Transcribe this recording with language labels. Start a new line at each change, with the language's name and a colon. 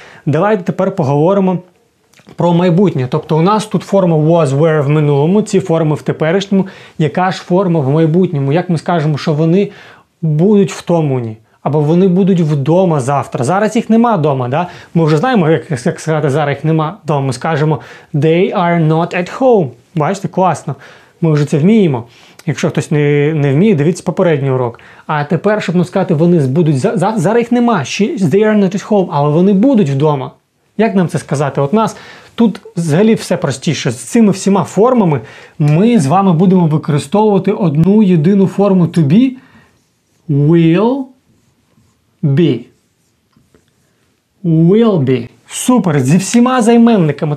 Ukrainian: Давайте тепер поговоримо про майбутнє. Тобто у нас тут форма was, were в минулому, ці форми в теперішньому. Яка ж форма в майбутньому? Як ми скажемо, що вони будуть втомлені? Або вони будуть вдома завтра. Зараз їх нема вдома, да? Ми вже знаємо, як сказати, зараз їх нема вдома. Ми скажемо,
English: they are not at home.
Ukrainian: Бачите, класно. Ми вже це вміємо. Якщо хтось не вміє, дивіться попередній урок. А тепер, щоб нам сказати, вони будуть, зараз їх нема.
English: They are not at home,
Ukrainian: але вони будуть вдома. Як нам це сказати? От нас тут взагалі все простіше. З цими всіма формами ми з вами будемо використовувати одну єдину форму to be.
English: Will. Be. Will be.
Ukrainian: Супер. Зі всіма займенниками.